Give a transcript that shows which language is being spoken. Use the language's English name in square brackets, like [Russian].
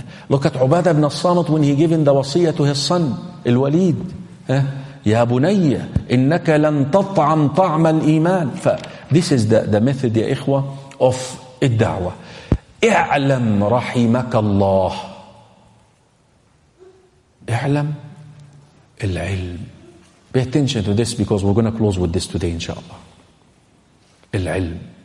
[English] Look at عبادة بن الصامت when he given the وصية to his son الوليد. [Arabic] يا بنية إنك لن تطعم طعم الإيمان. [English] This is the method, [Arabic] يا إخوة, [English] of الدعوة. [Arabic] اعلم رحمك الله. اعلم العلم. [English] Pay attention to this, because we're going to close with this today, inshallah. Al-ilm.